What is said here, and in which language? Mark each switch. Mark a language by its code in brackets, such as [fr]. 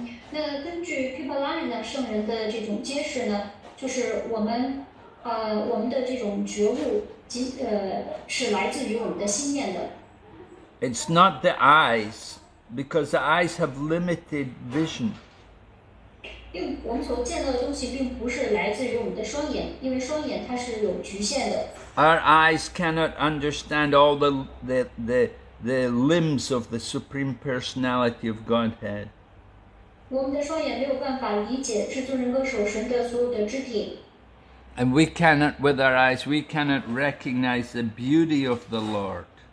[zh] 那根据Pipalaina圣人的这种揭示呢,就是我们 我们的这种觉悟是来自于我们的心念的。It's [en] not the eyes, because the eyes have limited vision. [zh] 我们所见到的东西并不是来自于我们的双眼,因为双眼它是有局限的。Our [en] eyes cannot understand all the limbs of the Supreme Personality of Godhead. [zh] 我们的双眼没有办法理解至尊人格首神的所有的肢体。 [en] And we cannot, with our eyes, we cannot recognize the beauty of the Lord.